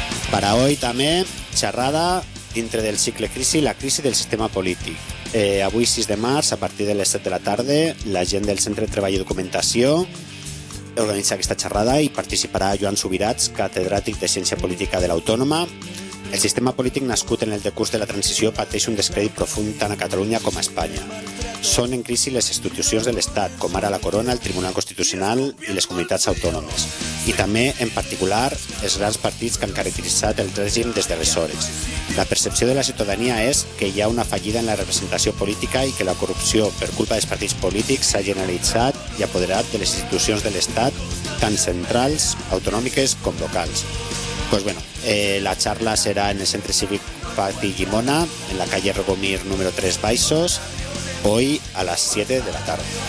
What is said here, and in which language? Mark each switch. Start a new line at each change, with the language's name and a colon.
Spanish: Para hoy también, charrada dentro del cicle crisis, la crisis del sistema político.
Catalan: Avui 6 de març, a partir de les 7 de la tarda, la gent del Centre de Treball i Documentació organitza aquesta xerrada i participarà Joan Subirats, catedràtic de Ciència Política de l'Autònoma. El sistema polític nascut en el decurs de la transició pateix un descrèdit profund tant a Catalunya com a Espanya. Són en crisi les institucions de l'Estat, com ara la Corona, el Tribunal Constitucional i les comunitats autònomes. I també, en particular, els grans partits que han caracteritzat el règim des d'aleshores. La percepció de la ciutadania és que hi ha una fallida en la representació política i que la corrupció, per culpa dels partits polítics, s'ha generalitzat i apoderat de les institucions de l'Estat, tant centrals, autonòmiques com locals.
Spanish: Pues bueno, la charla será en el Centre Cívic Pati Llimona, en la calle Regomir número 3 Baixos, hoy a las 7 de la tarde.